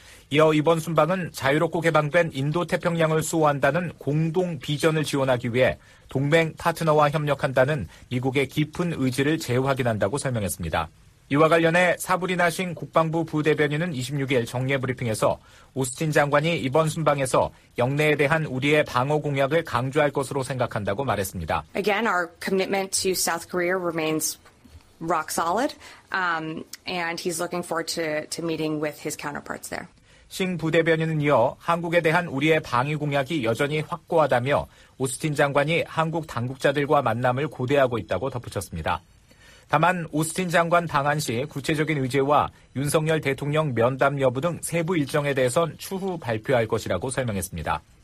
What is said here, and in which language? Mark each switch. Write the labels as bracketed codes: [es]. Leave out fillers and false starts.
[ko] 이어 이번 순방은 자유롭고 개방된 인도태평양을 수호한다는 공동 비전을 지원하기 위해 동맹 파트너와 협력한다는 미국의 깊은 의지를 재확인한다고 설명했습니다. 이와 관련해 사브리나 싱 국방부 부대변인은 26일 정례 브리핑에서 오스틴 장관이 이번 순방에서 영내에 대한 우리의 방어 공약을 강조할 것으로 생각한다고 말했습니다. [en] Again, our commitment to South Korea remains rock solid, and he's looking forward to meeting with his counterparts there. [ko] 싱 부대변인은 이어 한국에 대한 우리의 방위 공약이 여전히 확고하다며 오스틴 장관이 한국 당국자들과 만남을 고대하고 있다고 덧붙였습니다. 다만 오스틴 장관 방한 시 구체적인 의제와 윤석열 대통령 면담 여부 등 세부 일정에 대해선 추후 발표할 것이라고 설명했습니다.